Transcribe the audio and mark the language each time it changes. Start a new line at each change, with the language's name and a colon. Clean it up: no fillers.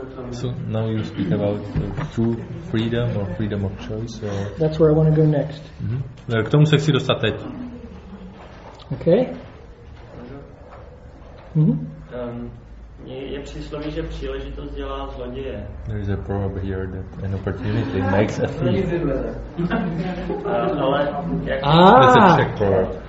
English: So now you speak about true freedom or freedom of choice. Or... That's where I want to go next. Mm-hmm.
Czech: K tomu se chci dostat teď.
English: Okay.
Czech: Je přísloví, že příležitost dělá zloděje.
English: There is a proverb here that an opportunity makes a thief.